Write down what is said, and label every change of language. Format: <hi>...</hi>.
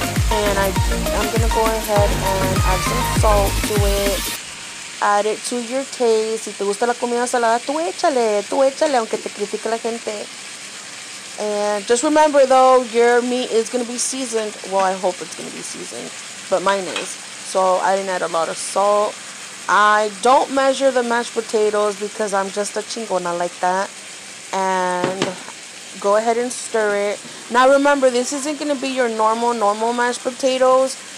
<en>And I'm gonna go ahead and add some salt to it. Add it to your taste.</en> <es>Si te gusta la comida salada, tú échale, aunque te critique la gente.</es> <en>And just remember though, your meat is going to be seasoned. Well, I hope it's going to be seasoned, but mine is. So I didn't add a lot of salt. I don't measure the mashed potatoes because I'm just a chingona like that. And go ahead and stir it. Now remember, this isn't going to be your normal mashed potatoes.</en>